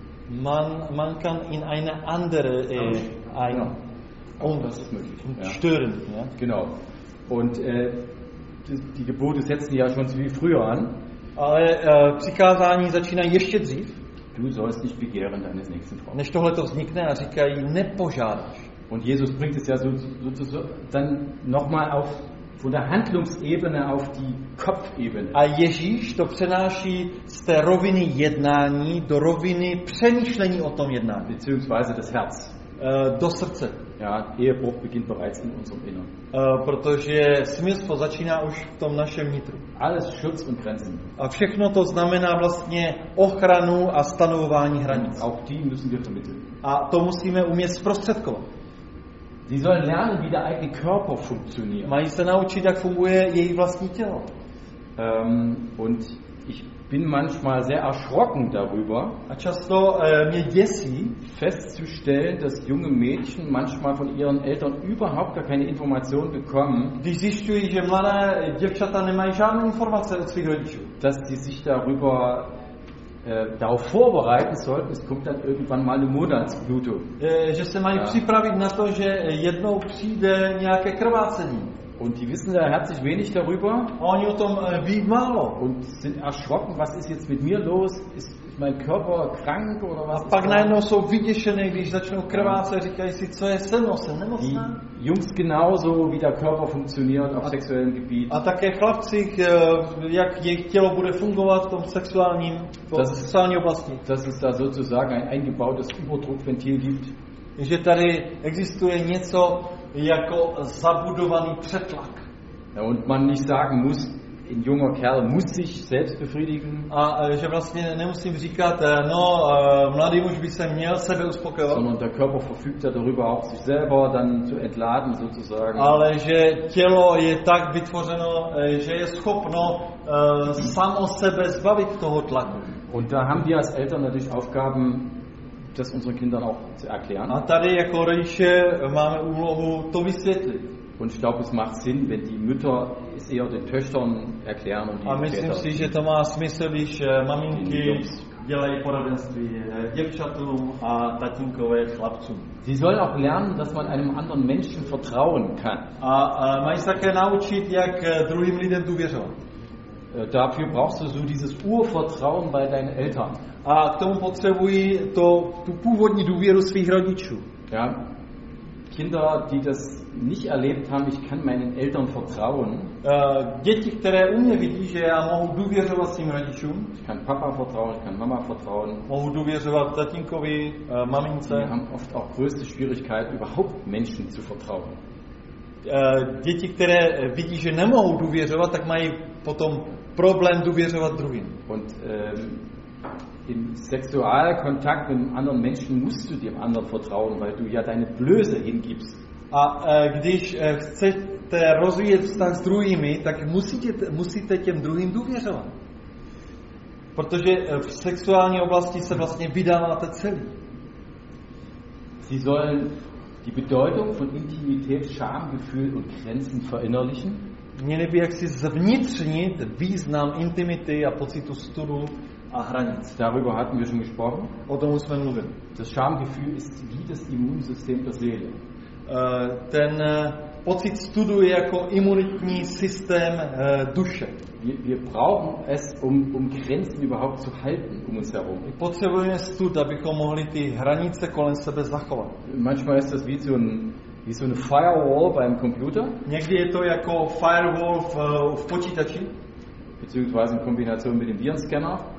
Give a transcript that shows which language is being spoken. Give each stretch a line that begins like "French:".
German: Man kann in eine andere Ehe ein. Und das ist möglich. Stören, ja. Genau. Und die Gebote setzen ja schon viel früher an.
Czech: Ale přikázání začínají ještě dřív.
German: Du sollst nicht begehren deines nächsten Frau.
Czech: Než tohle to vznikne a říkají, nepožádáš.
German: Und Jesus bringt es ja so dann noch mal auf von der Handlungsebene auf die Kopfebene.
Czech: A Ježíš to přenáší z té roviny jednání do roviny přemýšlení o tom jednání.
German: Beziehungsweise das Herz.
Czech: Do srdce.
German: Ja, Ehebruch beginnt bereits in unserem Innern.
Czech: Protože smilstvo začíná už v tom našem vnitru.
German: Alles Schutz und Grenzen.
Czech: A všechno to znamená vlastně ochranu a stanovování hranic.
German: Auch die müssen wir vermitteln.
Czech: A to musíme umět zprostředkovat.
German: Sie sollen lernen, wie der eigene Körper funktioniert.
Czech: Mají se naučit, jak funguje jejich vlastní tělo.
German: Und ich bin manchmal sehr erschrocken darüber,
Czech: a často mě děsí
German: festzustellen, dass junge Mädchen manchmal von ihren Eltern überhaupt gar keine Information bekommen.
Czech: Když zjišťují, že mladé děvčata nemají žádné informace od svých rodičů.
German: Dass die sich darüber darauf vorbereiten sollten, es kommt dann irgendwann mal eine Monatsblutung.
Czech: Že se mají připravit na to, že jednou přijde nějaké krvácení.
German: Und die wissen da herzlich wenig darüber.
Czech: Oni o tom ví málo.
German: Und sind erschrocken, was ist jetzt mit mir los? Ist mein Körper krank oder was?
Czech: Pak najednou jsou vyděšené, když začnou krvácet, říkají si, co je se mnou, jsem nemocná.
German: Die Jungs genauso, wie der Körper funktioniert auf sexuellem Gebiet.
Czech: A také chlapci, jak jejich tělo bude fungovat v tom sexuálním, sexuální oblasti.
German: Das ist da sozusagen ein eingebautes Überdruckventil gibt.
Czech: Že tady existuje něco jako zabudovaný přetlak.
German: Ja, und man nicht sagen muss, ein junger Kerl muss sich selbst befriedigen.
Czech: A že vlastně nemusím říkat, no, mladý muž by se měl sebe uspokojovat.
German: Sondern der Körper verfügt ja darüber auch, sich selber dann zu entladen, sozusagen.
Czech: Ale že tělo je tak vytvořeno, že je schopno samo sebe zbavit toho tlaku.
German: Und da haben wir als Eltern natürlich Aufgaben, das unseren Kindern auch zu erklären.
Czech: A tady jako rodiče máme úlohu to vysvětlit.
German: Und ich glaube, es macht Sinn, wenn die Mütter es eher den Töchtern erklären und die Väter.
Czech: A myslím si, že to má smysl, když maminky dělají poradenství děvčatům a tatínkové chlapcům.
German: Sie sollen auch lernen, dass man einem anderen Menschen vertrauen kann.
Czech: A mají se také naučit, jak druhým lidem důvěřovat.
German: Dafür brauchst du so dieses Urvertrauen bei deinen Eltern.
Czech: A k tomu potřebují tu původní důvěru svých rodičů.
German: Ja. Kinder, die das nicht erlebt haben, ich kann meinen Eltern vertrauen.
Czech: Děti, které u mě vidí, že já mohu důvěřovat svým rodičům.
German: Ich kann Papa vertrauen, ich kann Mama vertrauen.
Czech: Mohu důvěřovat tatínkovi, mamince.
German: Die haben oft auch größte Schwierigkeit, überhaupt Menschen zu vertrauen.
Czech: Děti, které vidí, že nemohou důvěřovat, tak mají potom problém důvěřovat druhým.
German: Und im Sexualkontakt mit anderen Menschen musst du dem anderen vertrauen, weil du ja deine Blöße hingibst.
Czech: A když chcete rozvíjet vztah s druhými, tak musíte těm druhým důvěřovat. Protože v sexuální oblasti se vlastně vydáváte celý.
German: Sie sollen die Bedeutung von Intimität, Schamgefühl und Grenzen verinnerlichen.
Czech: Měli by jaksi zvnitřnit význam intimity a pocitu studu a hranic.
German: Darüber hatten wir schon gesprochen.
Czech: O tom jsme mluvili.
German: Das Schamgefühl ist wie das Immunsystem der Seele.
Czech: Ten pocit studu je jako imunitní systém duše.
German: Wir brauchen es, um Grenzen überhaupt zu halten um uns herum.
Czech: Potřebujeme stud, abychom mohli ty hranice kolem sebe zachovat.
German: Manchmal ist das wie so eine Firewall beim Computer.
Czech: Někdy je to jako Firewall v počítači.
German: Beziehungsweise in Kombination mit dem Virenscanner.